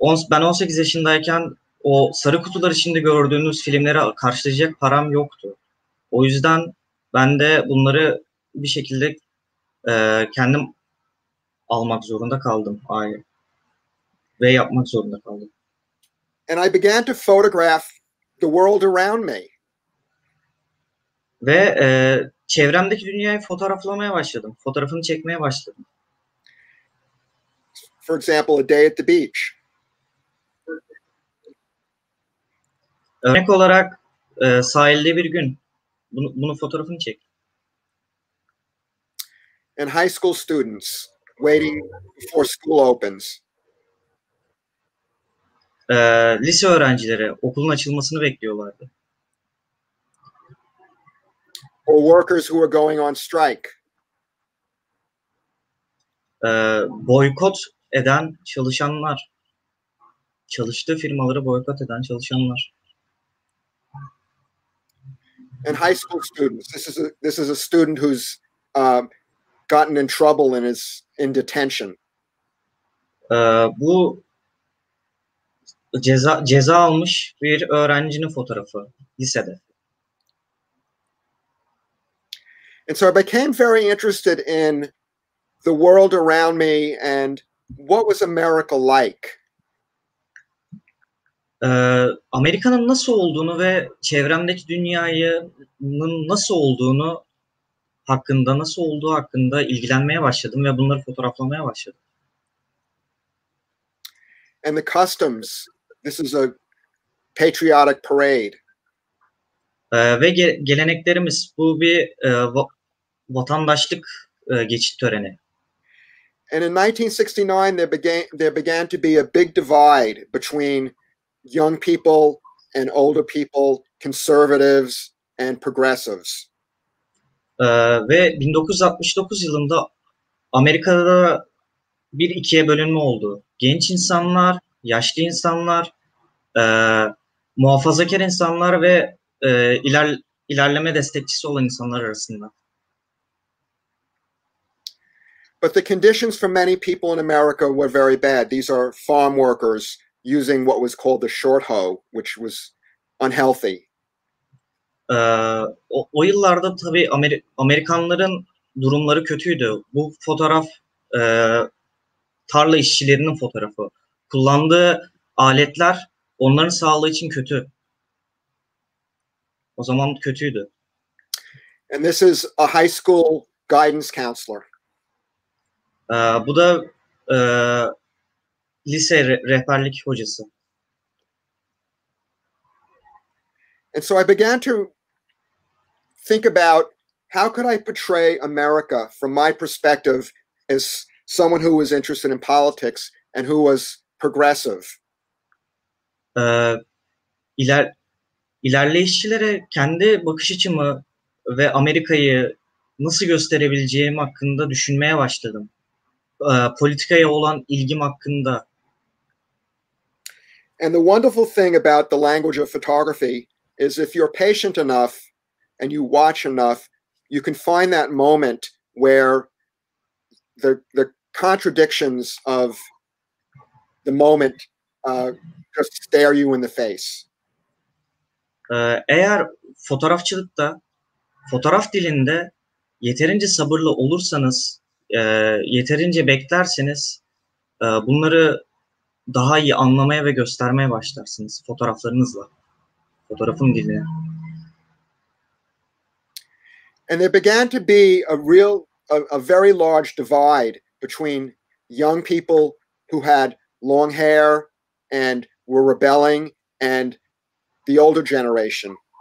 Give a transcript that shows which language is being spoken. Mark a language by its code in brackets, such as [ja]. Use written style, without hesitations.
[tr] Ben 18 yaşındayken o sarı kutular içinde gördüğünüz filmleri karşılayacak param yoktu. O yüzden ben de bunları bir şekilde kendim almak zorunda kaldım. Ve yapmak zorunda kaldım. [en] And I began to photograph the world around me. [tr] Ve çevremdeki dünyayı fotoğraflamaya başladım. Fotoğrafını çekmeye başladım. [en] For example, a day at the beach. [tr] Örnek olarak sahilde bir gün bunun fotoğrafını çek. [en] And high school students waiting before school opens. [tr] Lise öğrencileri okulun açılmasını bekliyorlardı. [en] Or workers who are going on strike. [tr] Boykot eden çalışanlar. Çalıştığı firmaları boykot eden çalışanlar. [en] And high school students. This is a student who's gotten in trouble and is in detention. [tr] Bu ceza almış bir öğrencinin fotoğrafı lisede. [en] And so I became very interested in the world around me and what was America like. [tr] Amerika'nın nasıl olduğunu ve çevremdeki dünyanın nasıl olduğu hakkında ilgilenmeye başladım ve bunları fotoğraflamaya başladım. [en] And the customs. This is a patriotic parade. [tr] Ve geleneklerimiz. Bu bir vatandaşlık geçit töreni. [en] And in 1969 there began to be a big divide between young people and older people, conservatives and progressives. [tr] Ve 1969 yılında Amerika'da bir ikiye bölünme oldu. Genç insanlar, yaşlı insanlar, muhafazakar insanlar ve ilerleme destekçisi olan insanlar arasında. [en] But the conditions for many people in America were very bad. These are farm workers using what was called the short hoe, which was unhealthy. [tr] O yıllarda tabii Amerikanların durumları kötüydü. Bu fotoğraf tarla işçilerinin fotoğrafı. Kullandığı aletler onların sağlığı için kötü. O zaman kötüydü. [en] And this is a high school guidance counselor. [tr] Bu da lise rehberlik hocası. [en] And so I began to think about how could I portray America from my perspective as someone who was interested in politics and who was progressive. [tr] İlerleyişçilere kendi bakış açımı ve Amerika'yı nasıl gösterebileceğim hakkında düşünmeye başladım. Politikaya olan ilgim hakkında. [en] And the wonderful thing about the language of photography is if you're patient enough and you watch enough, you can find that moment where the contradictions of the moment just stare you in the face. [tr] Eğer fotoğrafçılıkta, fotoğraf dilinde yeterince sabırlı olursanız, yeterince beklerseniz, bunları daha iyi anlamaya ve göstermeye başlarsınız fotoğraflarınızla, fotoğrafın diline. [en] And there began to be a very large divide between young people who had long hair and were rebelling and the older generation.